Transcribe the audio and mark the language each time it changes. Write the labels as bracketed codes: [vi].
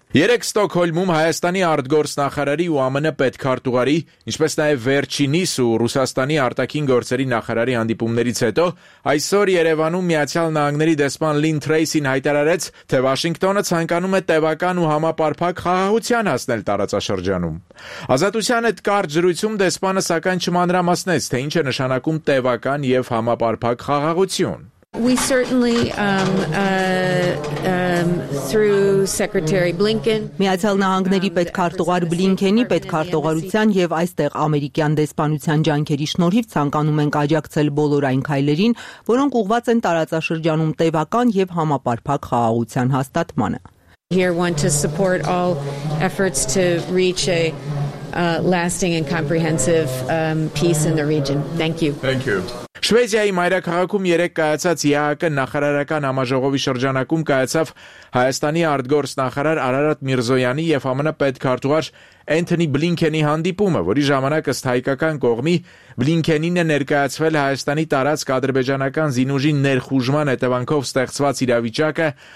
[hy] 3 Ստոկհոլմում Հայաստանի արտգործնախարարի ու ԱՄՆ պետքարտուղարի, ինչպես նաև Վերչինիս ու Ռուսաստանի արտաքին գործերի նախարարի հանդիպումներից հետո այսօր Երևանում Միացյալ Նահանգների դեսպան Լին Թրեյսին հայտարարեց, թե Վաշինգտոնը ցանկանում է տևական ու համապարփակ խաղաղության հասնել տարածաշրջանում։ Ազատության այդ կարճ զրույցում դեսպանը սակայն չմանրամասնեց, թե ինչ է նշանակում տևական և համապարփակ խաղաղություն։ [en] We certainly through Secretary Blinken. [hy] Միացյալ Նահանգների պետքարտուղար Բլինքենի պետքարտուղարության եւ այստեղ ամերիկյան դեսպանության ջանքերի շնորհիվ ցանկանում ենք աջակցել բոլոր այն քայլերին, որոնք ուղված են տարածաշրջանում տևական եւ համապարփակ խաղաղության հաստատմանը։ [en] Here want to support all efforts to reach a lasting and comprehensive peace in the region. Thank you. Thank you. [hy] Շվեդիայի մայրաքաղաքում 3 կայացած ԵԱԿ-ի նախարարական համաժողովի շրջանակում կայացավ Հայաստանի արտգործնախարար Արարատ Միրզոյանի եւ ԱՄՆ պետքարտուղար Anthony Blinken-ի հանդիպումը, որի ժամանակ ըստ հայկական կողմի Blinken-ին է ներկայացվել Հայաստանի տարածք ադրբեջանական զինուժի ներխուժման հետևանքով ստեղծված իրավիճակը,